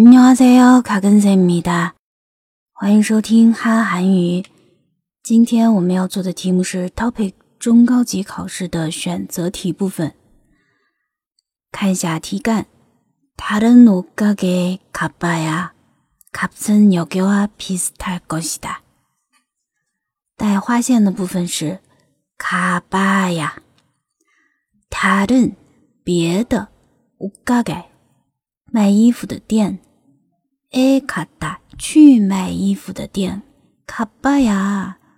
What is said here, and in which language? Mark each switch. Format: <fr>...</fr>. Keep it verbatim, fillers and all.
<ko>안녕하세요, 가근쌤입니다.</ko> <zh>欢迎收听哈韩语。今天我们要做的题目是 Topic 中高级考试的选择题部分。看一下题干。</zh> <ko>다른옷가게에 가봐야 값은 여기와 비슷할 것이다.</ko> <zh>带划线的部分是가봐야。 다른别的옷가게卖衣服的店。</zh> <ko>에 갔다</ko> <zh>去卖衣服的店가봐야。</zh>